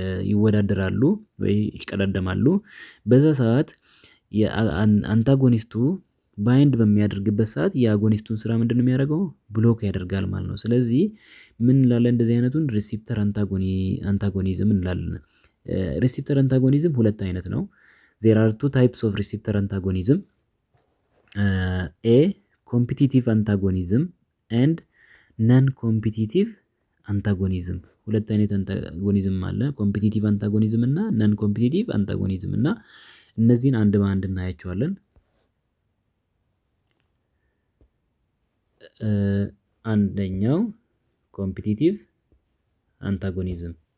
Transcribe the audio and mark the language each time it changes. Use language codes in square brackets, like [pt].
[am] ይወዳደራሉ ወይ ይቀዳደማሉ በዛ ሰዓት የአንታጎኒስቱ ባይንድ በሚያደርግበት ሰዓት የአጎኒስቱን ስራ ምንድነው የሚያደርገው ብሎክ ያደርጋል ማለት ነው ስለዚህ ምን ላለ እንደዚህ አይነቱን ሪሴፕተር አንታጎኒዝም እንላለን ሪሴፕተር አንታጎኒዝም ሁለት አይነት ነው [en] There are two types of receptor antagonism. A competitive antagonism and non-competitive antagonism. [am] ሁለት አይነት አንታጎኒዝም አለ competitive antagonism እና non-competitive antagonism እና እነዚህን አንድ በአንድ እናያቸዋለን። አንደኛው competitive antagonism.